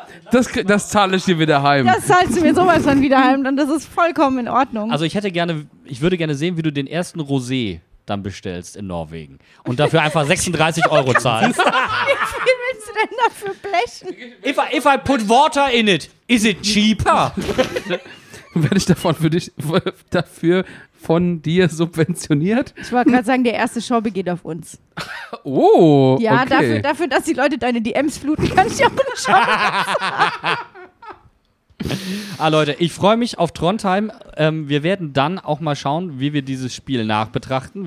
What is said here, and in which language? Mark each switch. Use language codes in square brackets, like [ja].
[de] Das zahle ich dir wieder heim. Das zahlst du mir sowas dann wieder heim, dann das ist vollkommen in Ordnung. Also ich würde gerne sehen, wie du den ersten Rosé dann bestellst in Norwegen und dafür einfach 36 Euro zahlst. Wie viel willst du denn dafür blechen? [en] If I put water in it, is it cheaper? [de] Werde ich dafür von dir subventioniert? Ich wollte gerade sagen, der erste Show geht auf uns. Oh, ja, okay. Dafür, dass die Leute deine DMs fluten, kann ich auch eine Show. Ah, Leute, ich freue mich auf Trondheim. Wir werden dann auch mal schauen, wie wir dieses Spiel nachbetrachten.